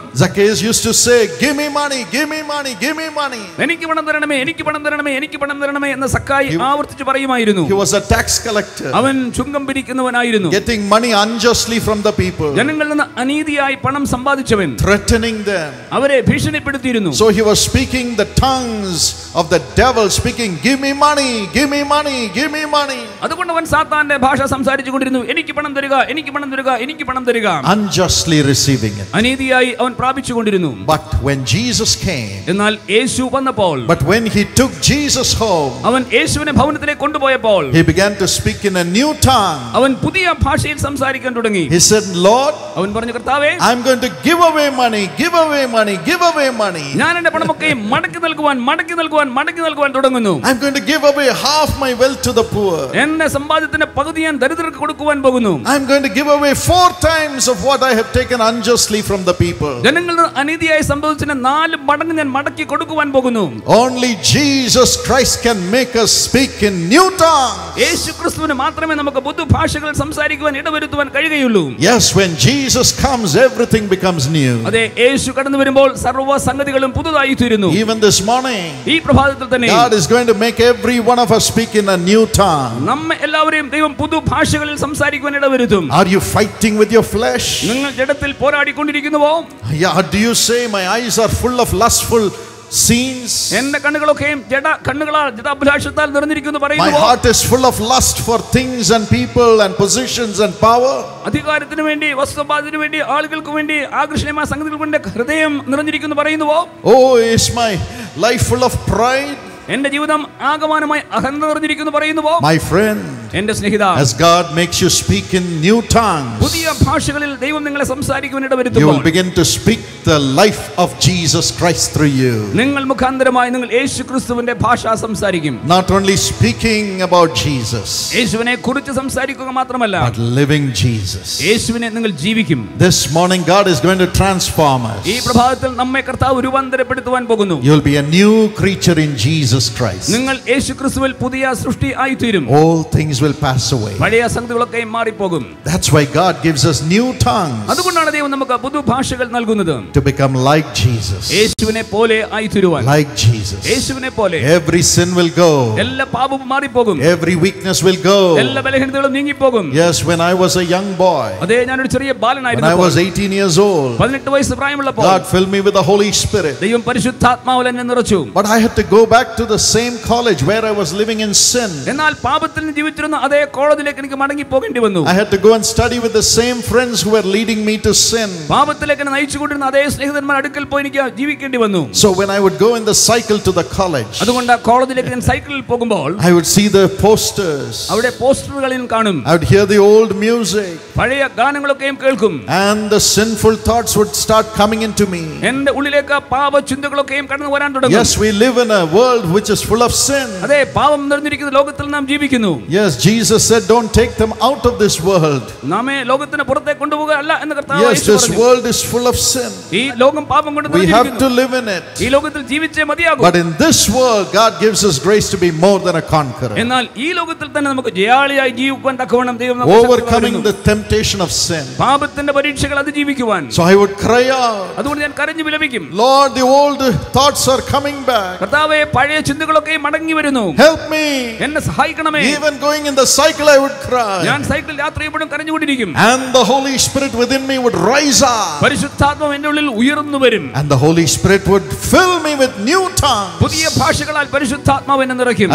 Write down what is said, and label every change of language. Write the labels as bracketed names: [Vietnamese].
[English] Zacchaeus used to say, "Give me money, give me money, give me money." [Malayalam] എനിക്ക് പണം തരണമേ, എനിക്ക് പണം തരണമേ, എനിക്ക് പണം തരണമേ എന്ന് സക്കായി ആവർത്തിച്ച് പറയുമായിരുന്നു. [English] He was a tax collector. [Malayalam] അവൻ ചുങ്കം പിടിക്കുന്നവനായിരുന്നു. [English] Getting money unjustly from the people. [Malayalam] ജനങ്ങളിൽ നിന്ന് അനീതിയായി പണം സമ്പാദിച്ചവൻ. [English] Threatening them. [Malayalam] അവരെ ഭീഷണിപ്പെടുത്തിയിരുന്നു. [English] So he was speaking the tongues of the devil, speaking, "Give me money, give me money, give me money." [Malayalam] അതുകൊണ്ട് അവൻ സാത്താന്റെ ഭാഷ സംസാരിച്ചുകൊണ്ടിരുന്നു. എനിക്ക് പണം തരുക, എനിക്ക് പണം തരുക, എനിക്ക് പണം തരുക. [English] Unjustly receiving it. [Malayalam] അനീതിയായി അവൻ പ്രാപിച്ചുകൊണ്ടിരുന്നു. [English] But when Jesus came. [Malayalam] എന്നാൽ യേശു വന്നപ്പോൾ. [English] But when he took Jesus home. [Malayalam] അവൻ യേശുവിനെ ഭവനത്തിലേക്ക് കൊണ്ടുപോയപ്പോൾ. [English] He began to speak in a new tongue. [Malayalam] അവൻ പുതിയ ഭാഷയിൽ സംസാരിക്കാൻ തുടങ്ങി. [English] He said, "Lord." [Malayalam] അവൻ പറഞ്ഞു, കർത്താവേ. [English] I am going to give away money, give away money, give away money. [Malayalam] ഞാൻ എൻ്റെ പണമൊക്കെ മടക്കി നൽകുവാൻ, മടക്കി നൽകുവാൻ, മടക്കി നൽകുവാൻ തുടങ്ങുന്നു. [English] I am going to give away half my wealth to the poor. [Malayalam] എന്റെ സമ്പാദ്യത്തിന്റെ പകുതി ഞാൻ ദരിദ്രർക്ക് കൊടുക്കുവാൻ പോകുന്നു. [English] I am going to give away 4 times of what I have taken unjustly from the people. [Malayalam] ജനങ്ങളെ അനീതിയായി സമ്പാദിച്ചതിനെ 4 മടങ്ങ് ഞാൻ മടക്കി കൊടുക്കുവാൻ പോകുന്നു. [English] Only Jesus Christ can make us speak in new tongues. [Malayalam] യേശുക്രിസ്തുവിനെ മാത്രമേ നമുക്ക് പുതുഭാഷകൾ സംസാരിക്കുവാൻ ഇടവരുത്തുവാൻ കഴിയുകയുള്ളൂ. [English] Yes, when Jesus comes, everything becomes new. [Malayalam] അതെ, യേശു കടന്നു വരുമ്പോൾ സർവ്വ സംഗതികളും പുതുതായി തീരുന്നു. [English] Even this morning. [Malayalam] ഈ പ്രഭാതത്തിൽ തന്നെ. [English] God is going to make every one of us speak in a new tongue. [Malayalam] നമ്മെ എല്ലാവരെയും ദൈവം പുതുഭാഷകളിൽ സംസാരിക്കുവാൻ ഇടവരുത്തും. [English] Are you fighting with your flesh? [Malayalam] നിങ്ങൾ ജഡത്തിൽ പോരാടിക്കൊണ്ടിരിക്കുന്നുവോ? [English] Yeah, do you say, "My eyes are full of lustful scenes"? [Malayalam] എന്റെ കണ്ണുകളൊക്കെയും ജഡ കണ്ണുകളാൽ ജഡാഭിലാഷത്താൽ നിറഞ്ഞിരിക്കുന്നു പറയുന്നു. [English] My heart is full of lust for things and people and positions and power. [Malayalam] അധികാരത്തിന് വേണ്ടി, വസ്തുവാദത്തിന് വേണ്ടി, ആളുകൾക്ക് വേണ്ടി ആകർഷണമായ സംഗതികൾക്ക് വേണ്ടി ഹൃദയം നിറഞ്ഞിരിക്കുന്നു പറയുന്നുവോ? [English] Oh, is my life full of pride? [Malayalam] എന്റെ ജീവിതം ആഗമനമായി അഹങ്കാരം നിറഞ്ഞിരിക്കുന്നു പറയുന്നുവോ? [English] My friend, [Malayalam] എന്റെ സ്നേഹിത, [English] as God makes you speak in new tongues, [Malayalam] പുതിയ ഭാഷകളിൽ ദൈവം നിങ്ങളെ സംസാരിക്കുവാൻ ഇടവരുത്തുമ്പോൾ, [English] you will begin to speak the life of Jesus Christ through you. [Malayalam] നിങ്ങൾ മുഖാന്തരമായി നിങ്ങൾ യേശുക്രിസ്തുവിന്റെ ഭാഷ സംസാരിക്കും. [English] Not only speaking about Jesus, [Malayalam] യേശുവിനെ കുറിച്ച് സംസാരിക്കുക മാത്രമല്ല, [English] but living Jesus, [Malayalam] യേശുവിനെ നിങ്ങൾ ജീവിക്കും. [English] This morning God is going to transform us. [Malayalam] ഈ പ്രഭാതത്തിൽ നമ്മെ കർത്താവ് രൂപാന്തരപ്പെടുത്തുവാൻ പോകുന്നു. [English] You will be a new creature in Jesus Christ. [Malayalam] നിങ്ങൾ യേശുക്രിസ്തുവിൽ പുതിയ സൃഷ്ടി ആയി തീരും. [English] All things things will pass away. [Malayalam] പഴയ സംഗതികളൊക്കെ മാറിപോകും. [English] That's why God gives us new tongues. [Malayalam] അതുകൊണ്ടാണ് ദൈവം നമുക്ക് പുതു ഭാഷകൾ നൽകുന്നത്. [English] To become like Jesus. [Malayalam] യേശുവിനെ പോലെ ആയിത്തീരുവാൻ. [English] Like Jesus. [Malayalam] യേശുവിനെ പോലെ. [English] Every sin will go. [Malayalam] എല്ലാ പാപവും മാറിപോകും. [English] Every weakness will go. [Malayalam] എല്ലാ ബലഹീനതകളും നീങ്ങിപ്പോകും. [English] Yes, when I was a young boy. [Malayalam] അതേ ഞാൻ ഒരു ചെറിയ ബാലനായിരുന്നപ്പോൾ. [English] When I was 18 years old. [Malayalam] 18 വയസ്സ് പ്രായമുള്ളപ്പോൾ. [English] God filled me with the Holy Spirit. [Malayalam] ദൈവം പരിശുദ്ധാത്മാവ് എന്നെ നിറച്ചു. [English] But I had to go back to the same college where I was living in sin. [Malayalam] എന്നാൽ പാപത്തിൽ ജീവിച്ചിരുന്ന അതേ കോളേജിലേക്ക് എനിക്ക് മടങ്ങി പോകേണ്ടി വന്നു. [English] I had to go and study with the same friends who were leading me to sin. [Malayalam] പാപത്തിലേക്ക് എന്നെ നയിച്ചുകൊണ്ടിരുന്ന അതേ സ്നേഹിതന്മാരുടെ അടുക്കൽ പോയി എനിക്ക് ജീവിക്കേണ്ടി വന്നു. [English] So when I would go in the cycle to the college. [Malayalam] അതുകൊണ്ട് കോളേജിലേക്ക് ഞാൻ സൈക്കിളിൽ പോകുമ്പോൾ [English] I would see the posters. [Malayalam] അവിടെ പോസ്റ്ററുകളിൽ കാണും. [English] I would hear the old music. [Malayalam] പഴയ ഗാനങ്ങളൊക്കെ കേൾക്കും. [English] And the sinful thoughts would start coming into me. [Malayalam] എൻ്റെ ഉള്ളിലേക്ക് പാപ ചിന്തകളൊക്കെ കടന്നു വരാൻ തുടങ്ങും. [English] Yes, we live in a world which is full of sin. [Malayalam] അതെ, പാപം നിറഞ്ഞിരിക്കുന്ന ലോകത്തിൽ നാം ജീവിക്കുന്നു. [English] Yes, Jesus said, "Don't take them out of this world." [Malayalam] നമ്മെ ലോകത്തിന് പുറത്തേ കൊണ്ടുപോകല്ല എന്ന് കർത്താവ് പറഞ്ഞു. [English] Yes, this world is full of sin. [Malayalam] ഈ ലോകം പാപം കൊണ്ട് നിറഞ്ഞിരിക്കുന്നു. [English] We have to live in it. [Malayalam] ഈ ലോകത്തിൽ ജീവിച്ചേ മതിയാകൂ. [English] But in this world, God gives us grace to be more than a conqueror. [Malayalam] എന്നാൽ ഈ ലോകത്തിൽ തന്നെ നമുക്ക് ജയാളിയായി ജീവിക്കാൻ തക്കവണ്ണം ദൈവം നമ്മെ സഹായിക്കുന്നു. [English] Overcoming the temptation of sin. [Malayalam] പാപത്തിന്റെ പരീക്ഷകൾ അതിജീവിക്കുവാൻ. [English] So I would cry out. [Malayalam] അതുകൊണ്ട് ഞാൻ കരഞ്ഞു വിലപിക്കും. [English] Lord, the old thoughts are coming back. [Malayalam] കർത്താവേ, പഴയ ചിന്തകളൊക്കെ മടങ്ങി വരുന്നു. [English] Help me. [Malayalam] എന്നെ സഹായിക്കണമേ. [English] Even going in the cycle I would cry. [Malayalam] ഞാൻ സൈക്കിൾ യാത്രയിലും കരഞ്ഞുകൊണ്ടിരിക്കും. [English] And the Holy Spirit within me would rise up. [Malayalam] പരിശുദ്ധാത്മാവ് എൻ്റെ ഉള്ളിൽ ഉയർന്നു വരും. [English] And the Holy Spirit would fill me with new tongues. [Malayalam] പുതിയ ഭാഷകളാൽ പരിശുദ്ധാത്മാവ് എന്നെ നിറയ്ക്കും.